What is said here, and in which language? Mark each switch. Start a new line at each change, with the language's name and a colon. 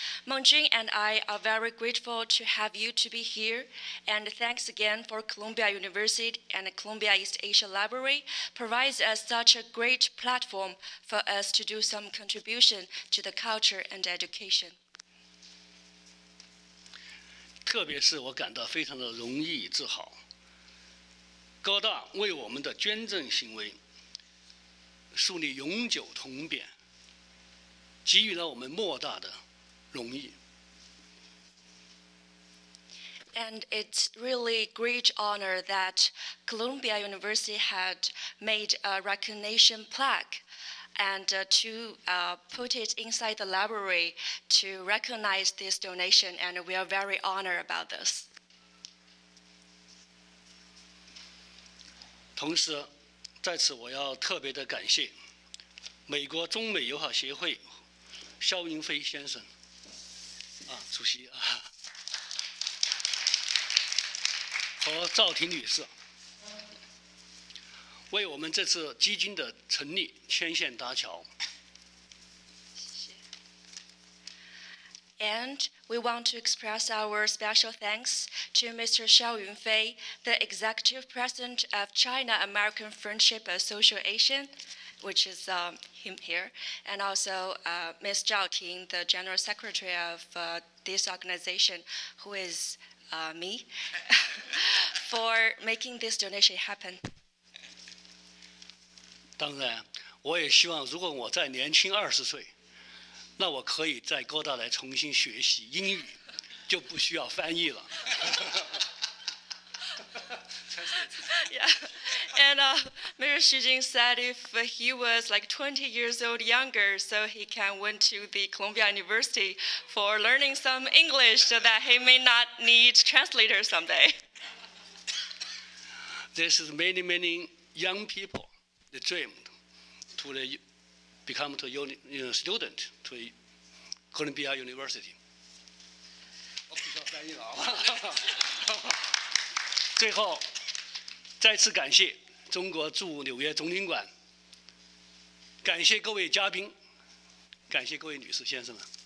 English: Mengjun and I are very grateful to have you to be here. And thanks again for Columbia University and Columbia East Asia Library provides us such a great platform for us to do some contribution to the culture and education.
Chinese: 特别是我感到非常的荣誉与自豪。哥大为我们的捐赠行为树立永久铜匾，给予了我们莫大的荣誉。
English: And it's really great honor that Columbia University had made a recognition plaque, and to put it inside the library to recognize this donation, and we are very honored about this.
Chinese: 同时，在此我要特别的感谢美国中美友好协会肖云飞先生啊，主席啊，和赵婷女士为我们这次基金的成立牵线搭桥。
English: And we want to express our special thanks to Mr. Xiao Yunfei, the Executive President of China-American Friendship Association, which is him here, and also Ms. Zhao Ting, the General Secretary of this organization, who is me, for making this donation happen.
Chinese: 当然，我也希望如果我再年轻二十岁，那我可以在哥大来重新学习英语，就不需要翻译了。
English: Yeah, and Mr. Xu Jing said if he was like 20 years old younger, so he can went to the Columbia University for learning some English so that he may not need translator someday. This is many, many young people, the dream to the, become to uni, you know, student to Columbia University.
Chinese: 我不需要翻译了，好吧。最后，再次感谢中国驻纽约总领馆，感谢各位嘉宾，感谢各位女士先生们。